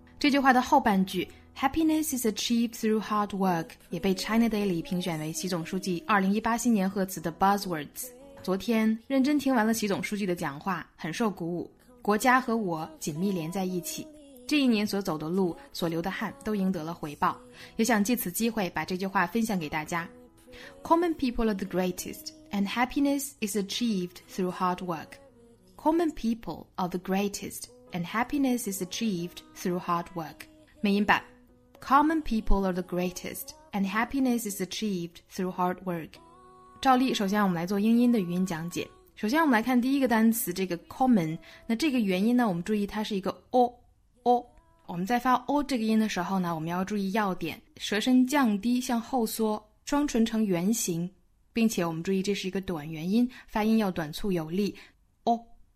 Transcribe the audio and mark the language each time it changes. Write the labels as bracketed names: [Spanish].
[Chinese] 这句话的后半句 [English] Happiness is achieved through hard work [Chinese] 也被 China Daily 评选为习总书记2018新年贺词的 buzzwords。昨天认真听完了习总书记的讲话，很受鼓舞。国家和我紧密连在一起，这一年所走的路，所流的汗，都赢得了回报。也想借此机会把这句话分享给大家。 [English] Common people are the greatest, and happiness is achieved through hard work. Common people are the greatest, and happiness is achieved through hard work. [Chinese] 美音版 [English] Common people are the greatest, and happiness is achieved through hard work. [Chinese] 照例，首先我们来做英音的语音讲解。首先我们来看第一个单词，这个 common， 那这个元音呢，我们注意它是一个 o， 我们在发 o 这个音的时候呢，我们要注意要点，舌身降低向后缩，双唇呈圆形，并且我们注意这是一个短元音，发音要短促有力， o。